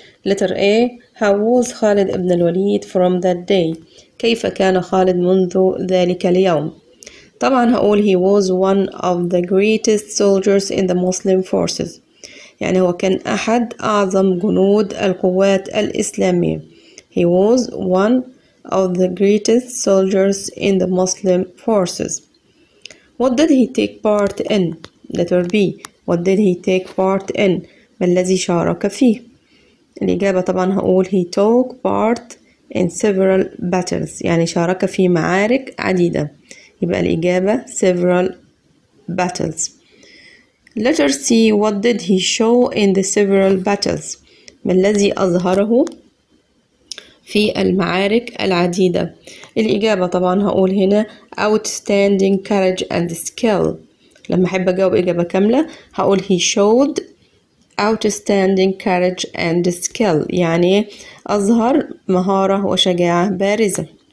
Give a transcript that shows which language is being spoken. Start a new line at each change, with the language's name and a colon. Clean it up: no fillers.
English: Letter A. How was خالد ابن الوليد from that day?
Arabic: كيف كان خالد منذ ذلك اليوم؟ طبعا هقول
English: he was one of the greatest soldiers in the Muslim forces.
Arabic: يعني هو كان أحد أعظم جنود القوات الإسلامية.
English: He was one of the greatest soldiers in the Muslim forces. What did he take part in? Letter B. What did he take part in?
Arabic: ما الذي شارك فيه؟ الإجابة طبعا هقول
English: he took part in several battles.
Arabic: يعني شارك في معارك عديدة. يبقى الإجابة
English: several battles. Letter C. What did he show in the several battles?
Arabic: ما الذي أظهره في المعارك العديدة؟ الإجابة طبعا هقول هنا
English: outstanding courage and skill.
Arabic: لما أحب أجاوب إجابة كاملة هقول
English: he showed outstanding courage and skill،
Arabic: يعني أظهر مهارة وشجاعة بارزة.